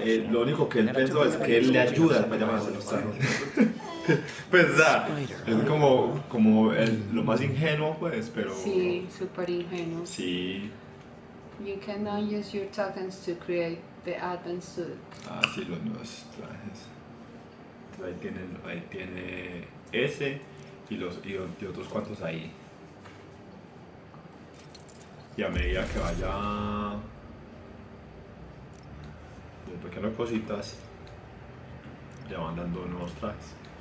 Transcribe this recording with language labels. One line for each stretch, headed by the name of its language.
Spanish: Lo único que él pensó es que él le ayuda para llamar a los carros. Pues es como lo más ingenuo, pues, pero. Sí, súper ingenuo. Sí.
English: You cannot use your tokens to create the advanced suit.
Spanish: Ah, sí, los nuevos trajes. Ahí tiene ese y los y otros cuantos ahí. Y a medida que vaya. De pequeñas cositas le van dando nuevos tracks.